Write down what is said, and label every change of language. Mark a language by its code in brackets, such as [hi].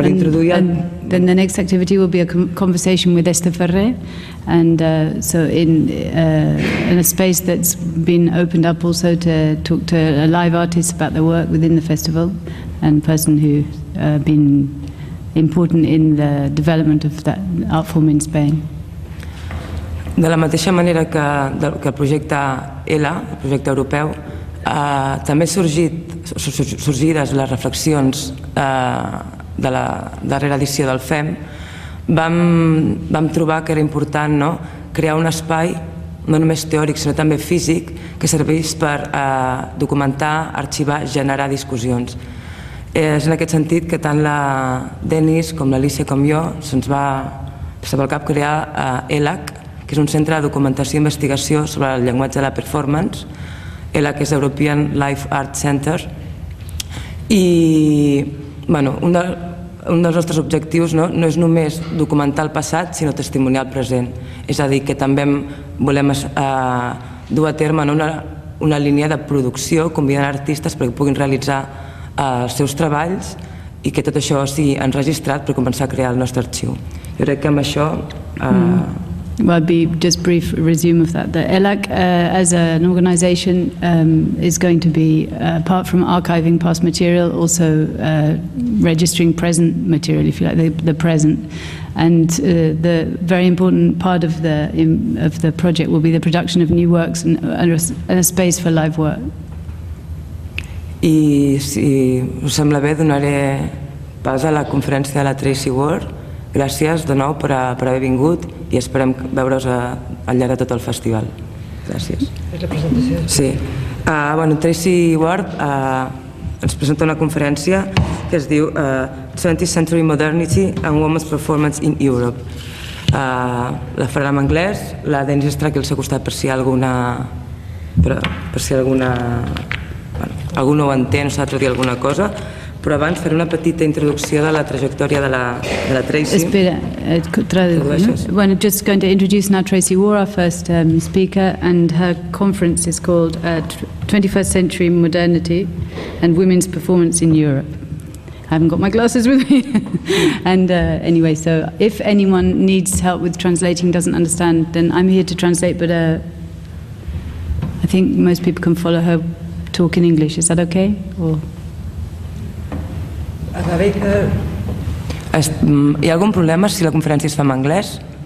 [en] Then the next activity will be a conversation with Esther Ferrer, and so in a space that's been opened up also to talk to a live artist about the work within the festival, and person who been important in the development of that art form in Spain. [ca] De la mateixa manera que el projecte ELA, el projecte europeu, també sorgides les reflexions de la darrera edició del FEM, vam trobar que era important, no?, crear un espai no només teòric sinó també físic que serveix per documentar, arxivar, generar discussions. És en aquest sentit que tant la Denise com l'Alicia com jo se'ns va passar pel cap crear ELAC, que és un centre de documentació i investigació sobre el llenguatge de la performance. ELAC és European Life Art Center, i bueno, un dels nostres objectius, no?, no és només documentar el passat, sinó testimoniar el present. És a dir, que també volem dur a terme, no?, una línia de producció, convidant artistes perquè puguin realitzar els seus treballs i que tot això sigui enregistrat per començar a crear el nostre arxiu. Jo crec que amb això... [en] Well, I'll be just brief resume of that. The ELAC, as an organization, is going to be, apart from archiving past material, also registering present material, if you like, the present. And the very important part of the project will be the production of new works and a space for live work. [ca] I si us sembla bé, donaré pas a la conferència de la Tracy Ward. Gràcies de nou per haver vingut i esperem veure-us al llarg de tot el festival. Gràcies. És la presentació? Sí. Bueno, Tracy Ward ens presenta una conferència que es diu 20th Century Modernity and Women's Performance in Europe. La farà en anglès, la Denise està aquí al seu costat per si hi ha alguna... per si hi ha alguna... Bueno, algú no ho entén o s'ha de dir alguna cosa, però abans faré una petita introducció de la trajectòria de la Tracy. Espera, traduïm. No? [en] Just going to introduce now Tracy Waugh, our first speaker, and her conference is called 21st Century Modernity and Women's Performance in Europe. I haven't got my glasses with me. And anyway, so if anyone needs help with translating, doesn't understand, then I'm here to translate, but I think most people can follow her talk in English. Is that okay? Or... [ca] Hi ha algun problema si la conferència es fa en anglès?